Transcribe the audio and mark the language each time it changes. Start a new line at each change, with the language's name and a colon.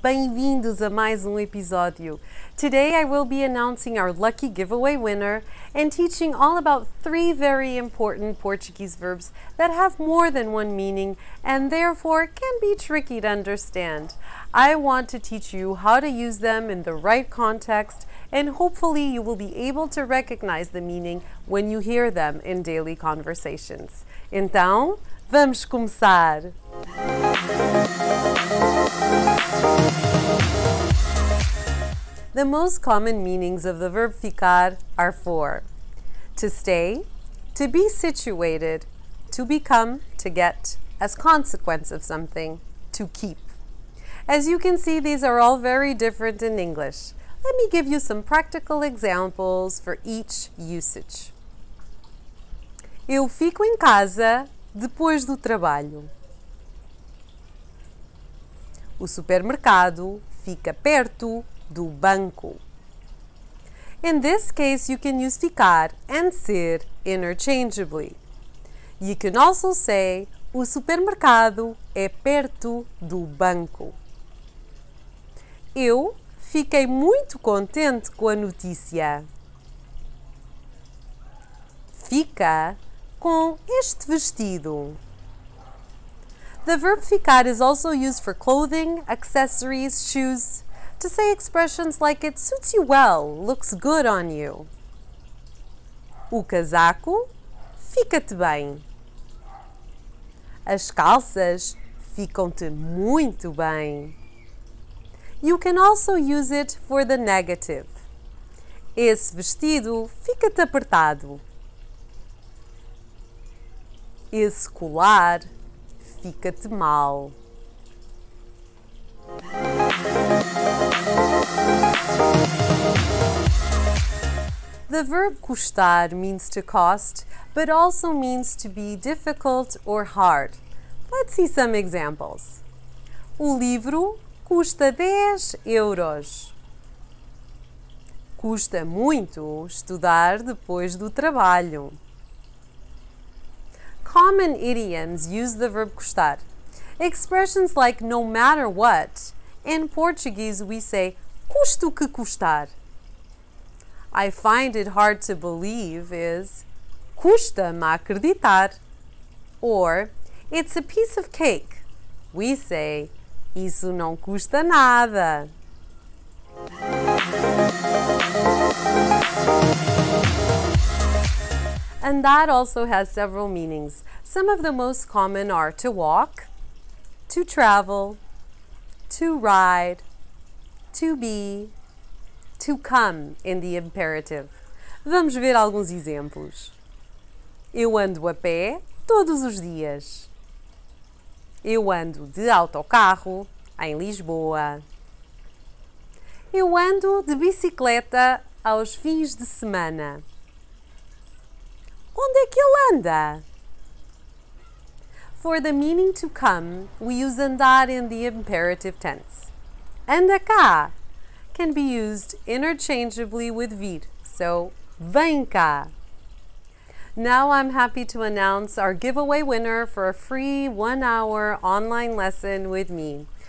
Portuguese: Bem-vindos a mais um episódio.
English: Today I will be announcing our lucky giveaway winner and teaching all about three very important Portuguese verbs that have more than one meaning and therefore can be tricky to understand. I want to teach you how to use them in the right context and hopefully you will be able to recognize the meaning when you hear them in daily conversations.
Portuguese: Então, vamos começar!
English: The most common meanings of the verb ficar are four: to stay, to be situated, to become, to get, as consequence of something, to keep. As you can see, these are all very different in English. Let me give you some practical examples for each usage.
Portuguese: Eu fico em casa depois do trabalho. O supermercado fica perto do banco.
English: In this case, you can use ficar and ser interchangeably. You can also say,
Portuguese: o supermercado é perto do banco. Eu fiquei muito contente com a notícia. Fica com este vestido.
English: The verb ficar is also used for clothing, accessories, shoes, to say expressions like it suits you well, looks good on you.
Portuguese: O casaco fica-te bem. As calças ficam-te muito bem.
English: You can also use it for the negative.
Portuguese: Esse vestido fica-te apertado. Esse colar fica-te mal.
English: The verb custar means to cost, but also means to be difficult or hard. Let's see some examples.
Portuguese: O livro custa 10 euros. Custa muito estudar depois do trabalho.
English: Common idioms use the verb custar. Expressions like no matter what. In Portuguese, we say,
Portuguese: custo que custar.
English: I find it hard to believe is,
Portuguese: custa-me acreditar.
English: Or, it's a piece of cake. We say,
Portuguese: isso não custa nada.
English: Andar also has several meanings. Some of the most common are to walk, to travel, to ride, to be, to come in the imperative.
Portuguese: Vamos ver alguns exemplos. Eu ando a pé todos os dias. Eu ando de autocarro em Lisboa. Eu ando de bicicleta aos fins de semana. Onde é que ele anda?
English: For the meaning to come, we use andar in the imperative tense.
Portuguese: Anda cá
English: can be used interchangeably with vir, so
Portuguese: vem cá.
English: Now I'm happy to announce our giveaway winner for a free 1-hour online lesson with me.